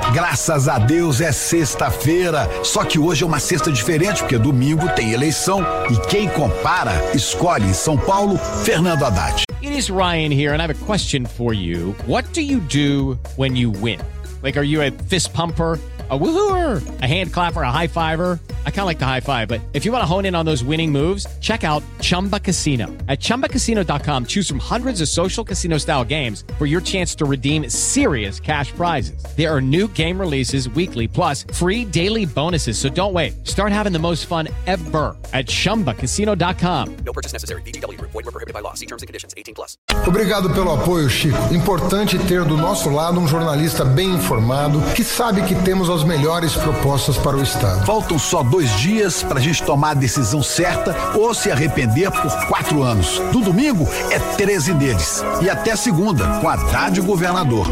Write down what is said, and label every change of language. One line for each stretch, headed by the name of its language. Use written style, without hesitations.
Portuguese: Graças a Deus é sexta-feira, só que hoje é uma sexta diferente, porque domingo tem eleição e quem compara, escolhe em São Paulo, Fernando Haddad.
English: It is Ryan here and I have a question for you. What do you do when you win? Like, are you a fist pumper, a woo-hooer, a hand clapper, a high-fiver? I kind of like the high-five, but if you want to hone in on those winning moves, check out Chumba Casino. At ChumbaCasino.com, choose from hundreds of social casino-style games for your chance to redeem serious cash prizes. There are new game releases weekly, plus free daily bonuses, so don't wait. Start having the most fun ever at ChumbaCasino.com. No purchase necessary. VGW. Void or prohibited by law. See terms and conditions. 18+.
Portuguese: Obrigado pelo apoio, Chico. Importante ter do nosso lado jornalista bem informado, que sabe que temos as melhores propostas para o Estado. Faltam só 2 dias para a gente tomar a decisão certa ou se arrepender por 4 anos. Do domingo é 13 deles. E até segunda, com a Rádio Governador.